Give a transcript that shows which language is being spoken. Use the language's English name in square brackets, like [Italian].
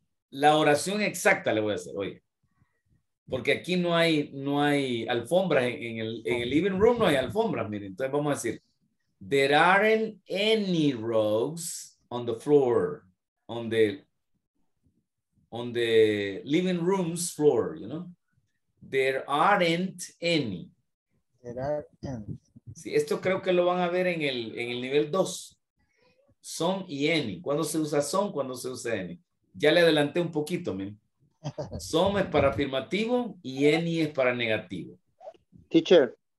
[Spanish] La oración exacta le voy a hacer, oye. Porque aquí no hay alfombras en el living room, no hay alfombras, miren. [English] Entonces vamos a decir, there aren't any rugs on the floor, on the living room's floor, you know? There aren't any. There aren't. [Spanish] Sí, esto creo que lo van a ver en el nivel 2. Some y any. ¿Cuándo se usa some? ¿Cuándo se usa any? Ya le adelanté un poquito, men. Some es para afirmativo y any es para negativo. [English] Teacher.